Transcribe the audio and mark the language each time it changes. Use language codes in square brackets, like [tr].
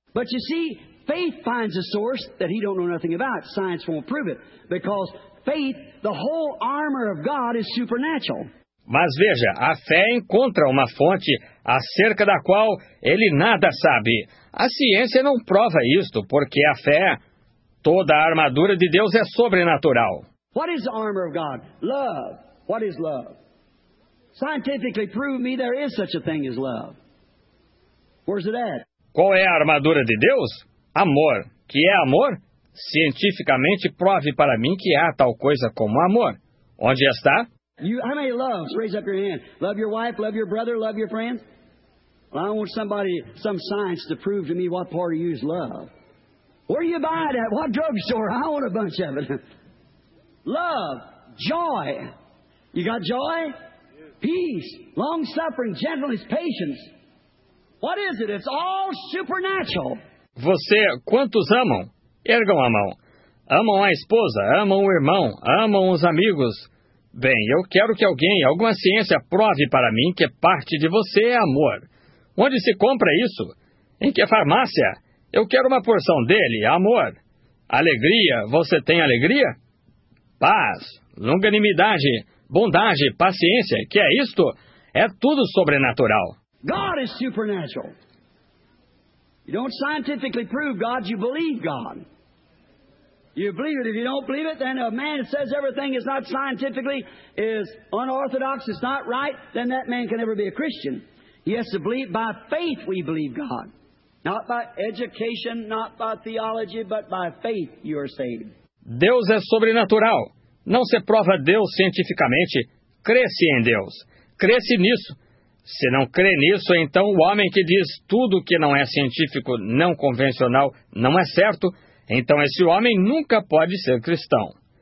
[en] But you see, faith finds a source that he don't know nothing about. Science won't prove it. Because faith, the whole armor of God is supernatural. [pt] Mas veja, a fé encontra uma fonte acerca da qual ele nada sabe. A ciência não prova isto, porque a fé, toda a armadura de Deus é sobrenatural. [en] What is the armor of God? Love. What is love? Scientifically prove me there is such a thing as love. Where's it at? [pt] Qual é a armadura de Deus? Amor. Que é amor? Cientificamente prove para mim que há tal coisa como amor. Onde está? [en] You, how many loves? Raise up your hand. Love your wife, love your brother, love your friends. Well, I want somebody, some science to prove to me what part of you is love. Where you buy it at? What drugstore? I want a bunch of it. Love. Joy. You got joy? Peace. Long-suffering. Gentleness. Patience. What is it? It's all supernatural. [pt] Você, quantos amam? Ergam a mão. Amam a esposa, amam o irmão, amam os amigos. Bem, eu quero que alguém, alguma ciência, prove para mim que parte de você é amor. Onde se compra isso? Em que farmácia? Eu quero uma porção dele, amor. Alegria, você tem alegria? Paz, longanimidade, bondade, paciência, que é isto? É tudo sobrenatural. [en] God is supernatural. You don't scientifically prove God, you believe God. You believe it. If you don't believe it, then a man says everything is not scientifically, is unorthodox, it's not right, then that man can never be a Christian. He has to believe by faith we believe God. Not by education, not by theology, but by faith you are saved. [pt] Deus é sobrenatural. Não se prova Deus cientificamente, cresce em Deus. Cresce nisso. Se não crê nisso, então o homem que diz tudo que não é científico, não convencional, não é certo, então esse homem nunca pode ser cristão.